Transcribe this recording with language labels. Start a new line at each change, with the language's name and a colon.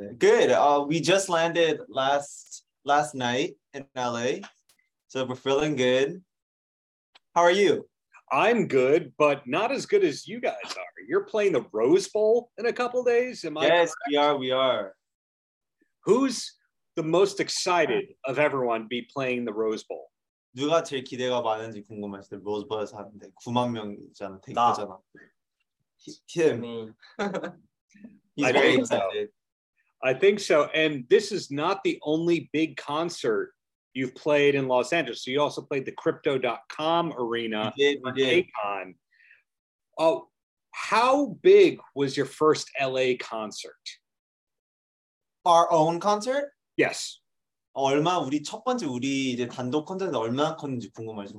English: Good. We just landed last night in LA, so we're feeling good. How are you? I'm good, but not as good as you guys are. You're playing the Rose Bowl in a couple of days. Yes, correct? We are. Who's the most excited of everyone to be playing the Rose Bowl?
Korean: 누가 제일 기대가 많은지 궁금하시대. 로즈 볼 하는데 9만 명이잖아. 되게 크잖아. Tim.
English: He's very excited. I think so. And this is not the only big concert you've played in Los Angeles. So you also played the Crypto.com arena. We did. Oh, how big was your first LA concert? Our own concert? Yes.
Korean: 얼마 우리 첫 번째 우리 이제 단독 콘서트 얼마나 컸는지 궁금하죠.